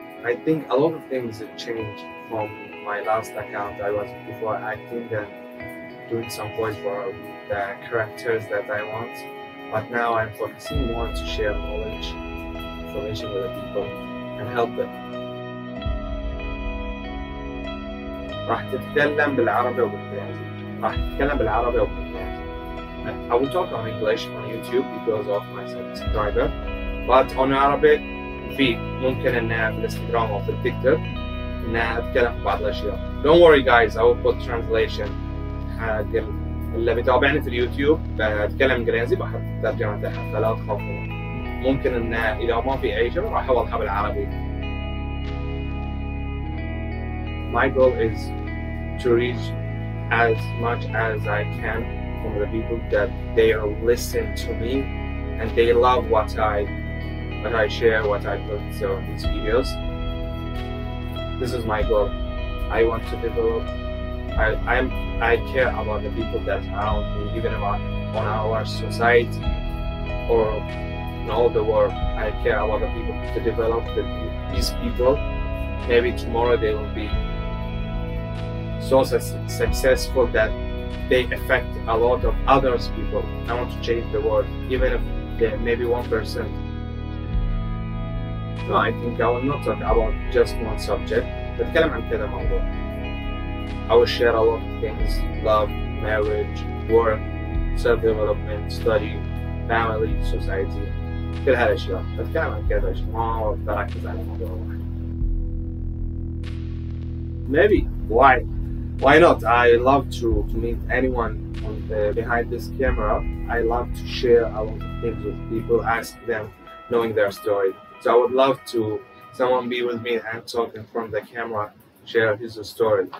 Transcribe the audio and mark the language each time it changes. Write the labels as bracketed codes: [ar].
[en] I think a lot of things have changed from my last account. I was before acting and doing some voice for the characters that I want, but now I'm focusing more to share knowledge, information with the people, and help them. [ar] راح تتكلم بالعربي وبالإنجليزي. راح تتكلم بالعربي وبالإنجليزي. [en] I will talk on English on YouTube because of my subscriber, but on Arabic. [ar] في ممكن ان في الانستغرام او في التيك توك ان اتكلم في بعض الاشياء. [en] Don't worry guys, I will put translation. [ar] حق اللي بيتابعني في اليوتيوب بتكلم انجليزي بحط ترجمه تحت، فلا تخافوا. ممكن ان اذا ما في اي شيء راح اوضحها بالعربي. [en] My goal is to reach as much as I can from the people that they are listening to me and they love what I share, what I put so in these videos. This is my goal. I want to develop. I care about the people that around me, even about on our society or in all the world. I care about the people to develop these people. Maybe tomorrow they will be so successful that they affect a lot of other people. I want to change the world, even if there may be one person. No, I think I will not talk about just one subject. [ar] بتكلم عن كذا موضوع. [en] I will share a lot of things: love, marriage, work, self-development, study, family, society. [ar] كل هالأشياء. بتكلم عن كذا أشياء. ما بركز على موضوع واحد. [en] Maybe. Why? Why not? I love to meet anyone on behind this camera. I love to share a lot of things with people, ask them, knowing their story. So I would love to someone be with me and talk in front of the camera, share his story.